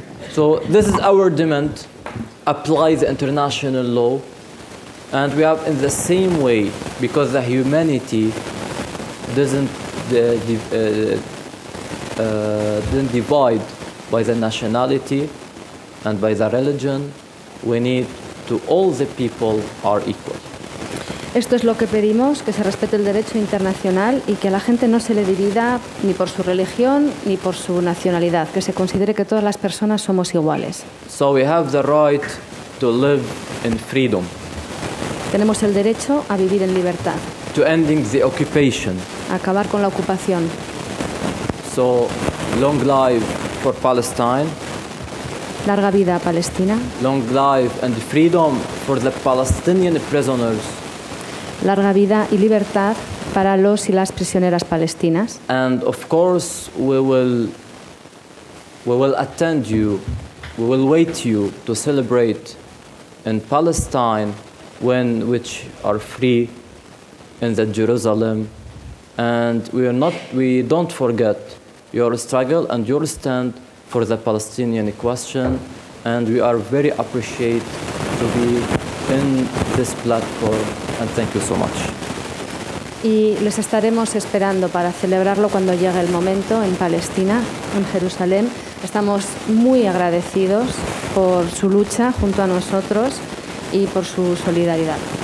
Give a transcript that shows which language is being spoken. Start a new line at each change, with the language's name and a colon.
English: So this is our demand: apply the international law, and we have in the same way because the humanity doesn't divide by the nationality and by the religion. We need to all the people are equal.
Spanish: Esto es lo que pedimos, que se respete el derecho internacional y que a la gente no se le divida ni por su religión ni por su nacionalidad, que se considere que todas las personas somos iguales.
English: So we have the right to live in freedom.
Spanish: Tenemos el derecho a vivir en libertad.
English: To ending the occupation.
Spanish: Acabar con la ocupación.
English: So long live for Palestine.
Spanish: Larga vida a Palestina.
English: Long life and freedom for the Palestinian prisoners.
Spanish: Larga vida y libertad para los y las prisioneras palestinas.
English: And of course we will attend you, we will wait you to celebrate in Palestine when which are free in the Jerusalem. And we don't forget your struggle and your stand for the Palestinian question, and we are very appreciate to be in this platform. And thank you so much.
Spanish: Y les estaremos esperando para celebrarlo cuando llegue el momento en Palestina, en Jerusalén. Estamos muy agradecidos por su lucha junto a nosotros y por su solidaridad.